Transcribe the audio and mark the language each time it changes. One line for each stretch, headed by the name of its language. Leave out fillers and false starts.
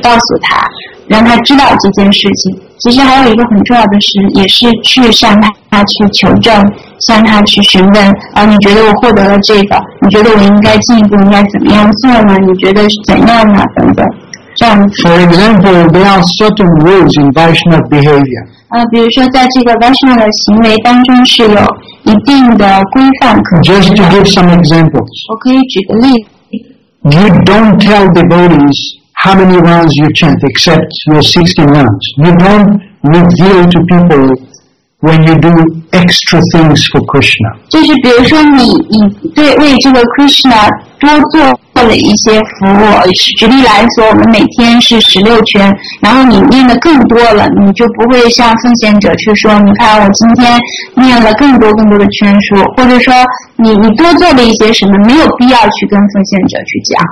Chinese: 所以说呢，这个就是，当然是基于你跟另外一个你所说的这个亲密的奉献者伙伴之间的这种关系了。其实，在你跟他去分享你的所得到的这个仁慈的时候呢，并不是说只是这么简单的，就是把你所获得的这个仁慈告诉他，让他知道这件事情。其实还有一个很重要的事，也是去向他去求证，向他去询问。你觉得我获得了这个？你觉得我应该进一步，应该怎么样做呢？你觉得怎样呢？等等。
English: For example, there are certain rules in Vaishnava behavior.
Chinese: 比如说在这个 Vaishnava 的行为当中是有一定的规范可以。
English: Just to give some examples.
Chinese: 我可以举个例。
English: You don't tell devotees how many rounds you chant except your 60 rounds. You don't reveal to people when you do extra things for Krishna.
Chinese: 就是比如说你对为这个 Krishna 多做了一些服务，举例来说，我们每天是16圈，然后你念的更多了，你就不会向奉献者去说，你看我今天念了更多的圈数，或者说你多做了一些什么，没有必要去跟奉献者去讲。